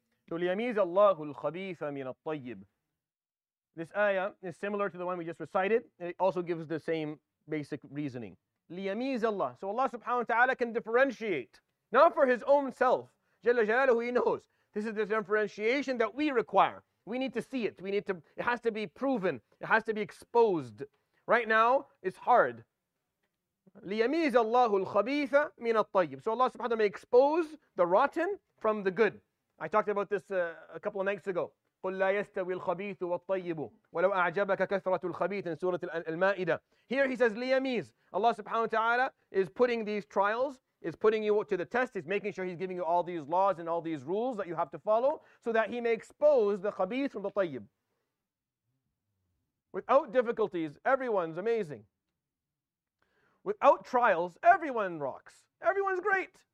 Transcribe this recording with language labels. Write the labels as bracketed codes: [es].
[ar] So ليميز الله الخبيث من الطيب. [en] This ayah is similar to the one we just recited. And it also gives the same basic reasoning. [ar] ليميز الله. [en] So Allah subhanahu wa ta'ala can differentiate. Not for his own self. [ar] جل جلاله, [en] he knows. This is the differentiation that we require. We need to see it. We need to. It has to be proven. It has to be exposed. Right now, it's hard. [ar] ليميز الله الخبيث من الطيب. [en] So Allah subhanahu wa ta'ala may expose the rotten from the good. I talked about this a couple of nights ago. [ar] قل لا يستوي الخبيث والطيب ولو أعجبك كثرة الخبيث in سورة المائدة. [en] Here he says ليميز. Allah subhanahu wa ta'ala is putting these trials, is putting you to the test, is making sure he's giving you all these laws and all these rules that you have to follow so that he may expose the خبيث from the طيب. Without difficulties, everyone's amazing. Without trials, everyone rocks. Everyone's great.